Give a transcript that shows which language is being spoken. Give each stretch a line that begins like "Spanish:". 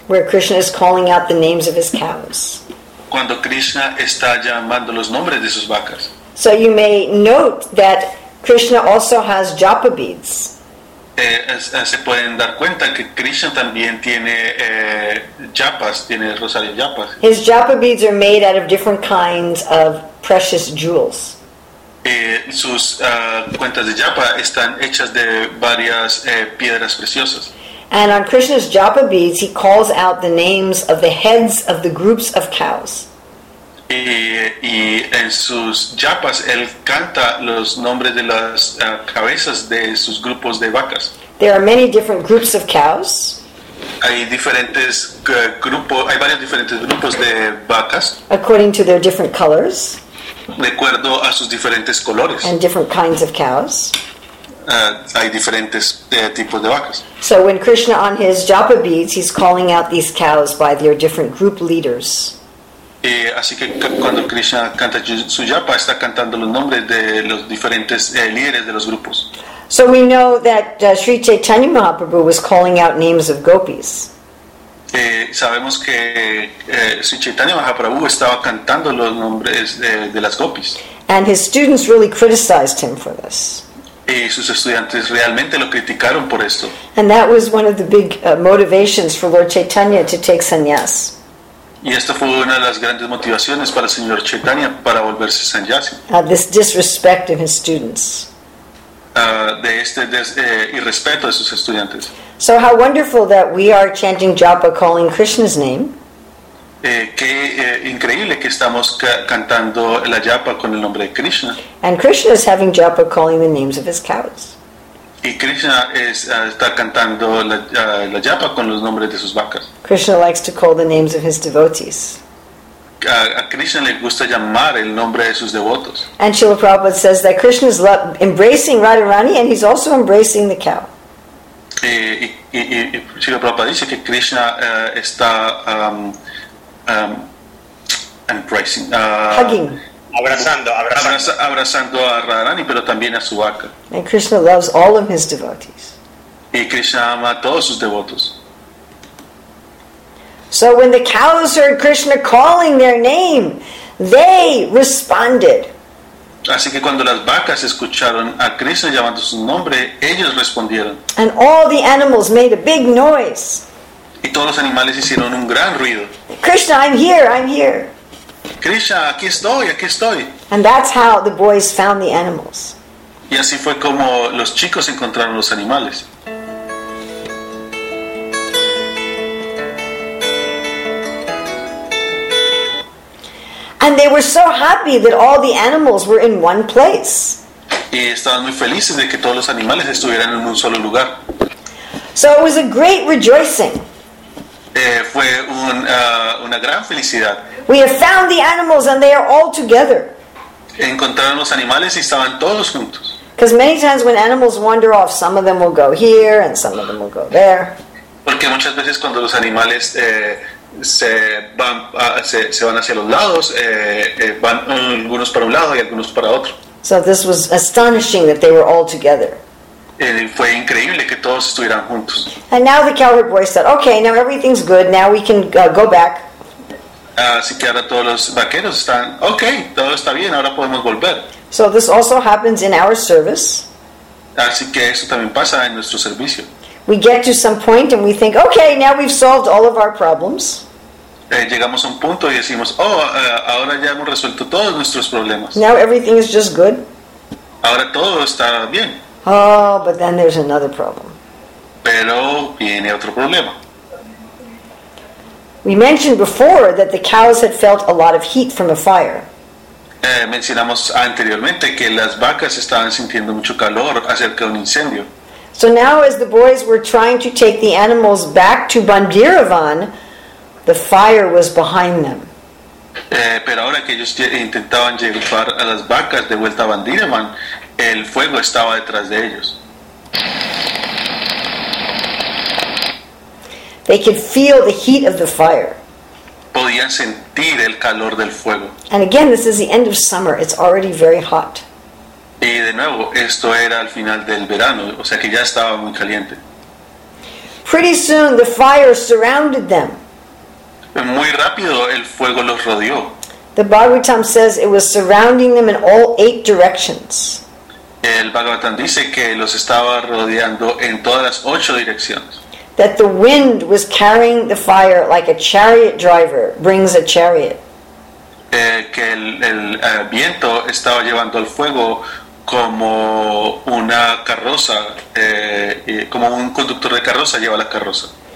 English: Where Krishna is calling out the names of his cows.
Spanish: Cuando Krishna está llamando los nombres de sus vacas.
English: So you may note that Krishna also has japa beads.
Spanish: Se pueden dar cuenta que Krishna también tiene japas, tiene rosario japas.
English: His japa beads are made out of different kinds of precious jewels.
Spanish: Sus cuentas de japa están hechas de varias piedras preciosas.
English: And on Krishna's japa beads, he calls out the names of the heads of the groups of cows.
Spanish: Y en sus japas, él canta los nombres de las cabezas de sus grupos de vacas.
English: There are many different groups of cows.
Spanish: Hay varios diferentes grupos de vacas.
English: According to their different colors.
Spanish: De acuerdo a sus diferentes colores.
English: And different kinds of cows.
Spanish: Hay diferentes tipos de vacas.
English: So when Krishna on his japa beads, he's calling out these cows by their different group leaders.
Spanish: Así que cuando Krishna canta su japa, está cantando los nombres de los diferentes líderes de los grupos.
English: So we know that Sri Chaitanya Mahaprabhu was calling out names of gopis.
Spanish: Sabemos que Sri Chaitanya Mahaprabhu estaba cantando los nombres de las gopis.
English: And his students really criticized him for this.
Spanish: Y sus estudiantes realmente lo criticaron por esto.
English: And that was one of the big motivations for Lord Chaitanya to take sannyas.
Spanish: Y esta fue una de las grandes motivaciones para el señor Chaitanya para volverse sannyasi.
English: This disrespect of his students.
Spanish: De este irrespeto de sus estudiantes.
English: So how wonderful that we are chanting japa, calling Krishna's name.
Spanish: Qué increíble que estamos cantando la japa con el nombre de Krishna.
English: And Krishna is having japa calling the names of his cows.
Spanish: Y Krishna está cantando la japa con los nombres de sus vacas.
English: Krishna likes to call the names of his devotees.
Spanish: A Krishna le gusta llamar el nombre de sus devotos.
English: And Srila Prabhupada says that Krishna is embracing Radharani and he's also embracing the cow.
Spanish: Y Srila Prabhupada dice que Krishna está
English: embracing. Hugging.
Spanish: Abrazando a Radharani, pero también a su vaca.
English: And Krishna loves all of his devotees.
Spanish: Y Krishna ama a todos sus devotos.
English: So when the cows heard Krishna calling their name, they responded.
Spanish: Así que cuando las vacas escucharon a Krishna llamando su nombre, ellos respondieron.
English: And all the animals made a big noise.
Spanish: Y todos los animales hicieron un gran ruido.
English: Krishna, I'm here, I'm here.
Spanish: Krishna, aquí estoy, aquí estoy.
English: And that's how the boys found the animals.
Spanish: Y así fue como los chicos encontraron los animales.
English: And they were so happy that all the animals were in one place.
Spanish: Y estaban muy felices de que todos los animales estuvieran en un solo lugar.
English: So it was a great rejoicing.
Spanish: Fue una gran felicidad.
English: We have found the animals and they are all together.
Spanish: Encontraron los animales y estaban todos juntos.
English: Because many times when animals wander off, some of them will go here and some of them will go there.
Spanish: Porque muchas veces cuando los animales se van hacia los lados, van algunos para un lado y algunos para otro.
English: So this was astonishing that they were all together.
Spanish: Fue increíble que todos estuvieran juntos.
English: And now the cowherd boy said, okay, now everything's good, now we can go back.
Spanish: Así que ahora todos los vaqueros están, okay, todo está bien, ahora podemos volver.
English: So this also happens in our service.
Spanish: Así que eso también pasa en nuestro servicio.
English: We get to some point and we think, okay, now we've solved all of our problems.
Spanish: Llegamos a un punto y decimos, ahora ya hemos resuelto todos nuestros problemas.
English: Now everything is just good.
Spanish: Ahora todo está bien.
English: Oh, but then there's another problem.
Spanish: Pero viene otro problema.
English: We mentioned before that the cows had felt a lot of heat from the fire.
Spanish: Mencionamos anteriormente que las vacas estaban sintiendo mucho calor acerca de un incendio.
English: So now as the boys were trying to take the animals back to Bandiravan, the fire was behind them.
Spanish: Pero ahora que ellos intentaban llevar a las vacas de vuelta a Bandiravan, el fuego estaba detrás de ellos.
English: They could feel the heat of the fire.
Spanish: Podían sentir el calor del fuego.
English: And again, this is the end of summer. It's already very hot.
Spanish: Y de nuevo, esto era al final del verano, o sea que ya estaba muy caliente.
English: Pretty soon, the fire surrounded them.
Spanish: Muy rápido, el fuego los rodeó.
English: The Bhagavatam says it was surrounding them in all eight directions.
Spanish: El Bhagavatam dice que los estaba rodeando en todas las ocho direcciones.
English: That the wind was carrying the fire like a chariot driver brings a chariot.
Spanish: Que el viento estaba llevando al fuego como una carroza, como un conductor de carroza lleva la carroza.